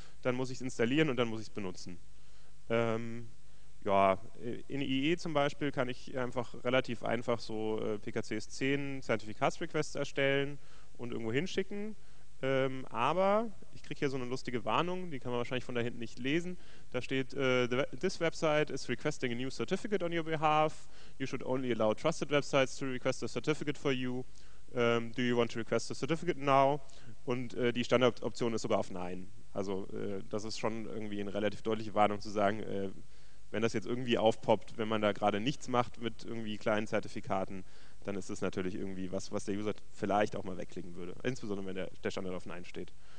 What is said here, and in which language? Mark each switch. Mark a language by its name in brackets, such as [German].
[German] Dann muss ich es installieren und dann muss ich es benutzen. Ja, in IE zum Beispiel kann ich einfach relativ einfach so PKCS10 Zertifikatsrequests erstellen und irgendwo hinschicken. Aber ich kriege hier so eine lustige Warnung, die kann man wahrscheinlich von da hinten nicht lesen. [English] Da steht, this website is requesting a new certificate on your behalf. You should only allow trusted websites to request a certificate for you. Do you want to request a certificate now? [German] Und die Standardoption ist sogar auf Nein. Also das ist schon irgendwie eine relativ deutliche Warnung zu sagen, wenn das jetzt irgendwie aufpoppt, wenn man da gerade nichts macht mit irgendwie kleinen Zertifikaten, dann ist das natürlich irgendwie was, was der User vielleicht auch mal wegklicken würde, insbesondere wenn der Standard auf Nein steht.